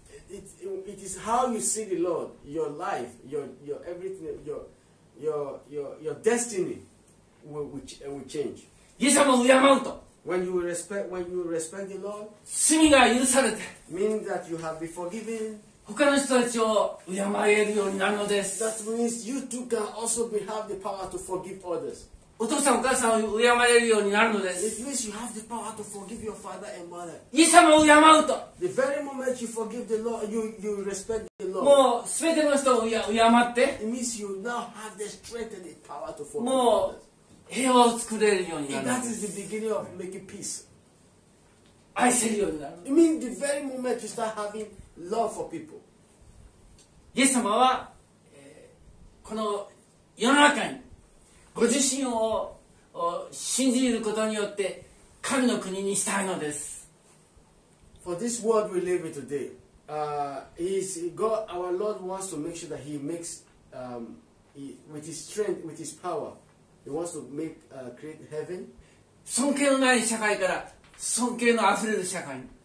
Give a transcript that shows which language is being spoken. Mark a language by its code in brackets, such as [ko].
[en] It is how you see the Lord, your life, your everything, your destiny will change. [ja] イエス様を敬うと。 [en] When you respect the Lord, [ja] 罪が許されて。 [en] Meaning that you have been forgiven. [ja] 他の人たちを敬えるようになるのです。 [en] That means you too can also have the power to forgive others. [ja] お父さんお母さんを敬えるようになるのです。 [en] It means you have the power to forgive your father and mother. [ja] イエス様を敬うと。 [en] The very moment you forgive the Lord, you respect the Lord. [ja] もう全ての人を敬って。 [en] It means you now have the strength and the power to forgive [ja] もう平和を作れるようになるのです。 [en] That is the beginning of making peace. [ja] 愛せるようになる。 [en] It means the very moment you start having. Love for people. [ja] イエス様は、この世の中にご自身を信じることによって神の国にしたいのです。 [en] For this world we live in today, God, our Lord wants to make sure that He makes, with His strength, with His power, He wants to create heaven. [ja] 尊敬のない社会から尊敬のあふれる社会に。